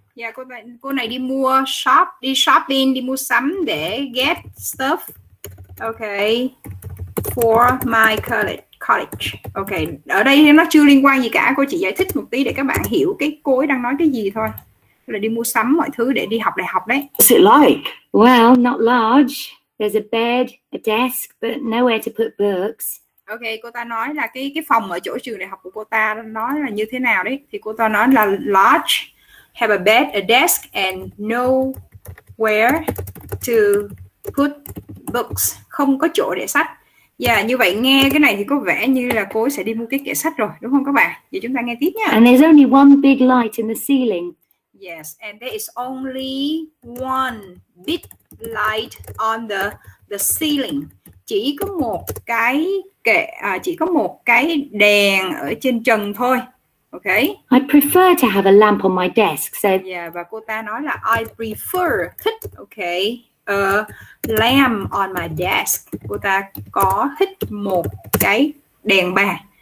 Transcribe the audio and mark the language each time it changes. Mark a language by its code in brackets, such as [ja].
[vi] Yeah, cô này đi mua shop, đi shopping, đi mua sắm để [en] get stuff. [vi] Okay. [en] For my college. Okay. [vi] Ở đây nó chưa liên quan gì cả, cô chỉ giải thích một tí để các bạn hiểu cái cô ấy đang nói cái gì thôi. Là đi mua sắm mọi thứ để đi học đại học đấy. [en] What's it like? Well, not large. There's a bed, a desk, but nowhere to put books. [vi] Ok, cô ta nói là cái phòng ở chỗ trường đại học của cô ta nói là như thế nào đấy. Thì cô ta nói là [en] large, have a bed, a desk, and nowhere to put books. [vi] Không có chỗ để sách. Dạ, yeah, như vậy nghe cái này thì có vẻ như là cô sẽ đi mua cái kệ sách rồi, đúng không các bạn? Vậy chúng ta nghe tiếp nha. [en] And there's only one big light in the ceiling. Yes, and there is only one big light on the ceiling. [vi] Chỉ có một cái kệ, chỉ có một cái đèn ở trên trần thôi. [en] Okay. I prefer to have a lamp on my desk. So yeah, [vi] và cô ta nói là [en] I prefer, [vi] thích, [en] okay, a lamp on my desk. [vi] Cô ta có thích một cái đèn bàn.